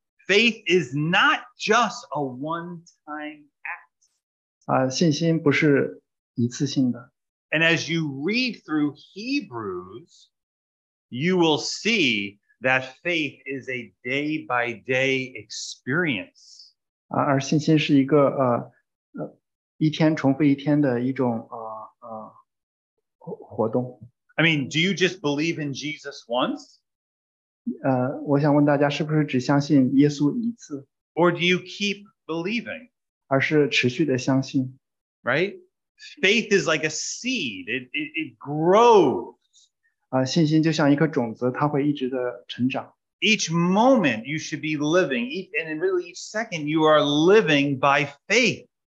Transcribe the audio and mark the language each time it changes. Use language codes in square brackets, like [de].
[en] Faith is not just a one-time act. [zh] 信心不是一次性的。 [en] And as you read through Hebrews, you will see that faith is a day-by-day experience. [zh] 而信心是一个一天重复一天的一种活动。 [en] I mean, do you just believe in Jesus once? [zh] 我想问大家是不是只相信耶稣一次? [en] Or do you keep believing? [zh] 而是持续的相信。 [en] Right? Faith is like a seed. It grows. [zh] 信心就像一颗种子,它会一直的成长。 [en] Each moment you should be living, and really each second you are living by faith.